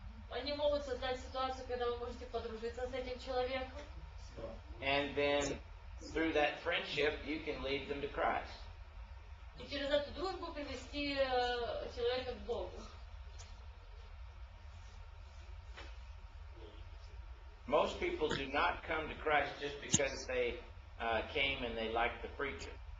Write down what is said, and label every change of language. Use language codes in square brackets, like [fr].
[ru] Они могут создать ситуацию, когда вы можете подружиться с этим человеком. [en] And then through that friendship you can lead them to Christ. [ru] И через эту дружбу привести человека к Богу. [en] people do not come to Christ just because they came and they liked the preacher.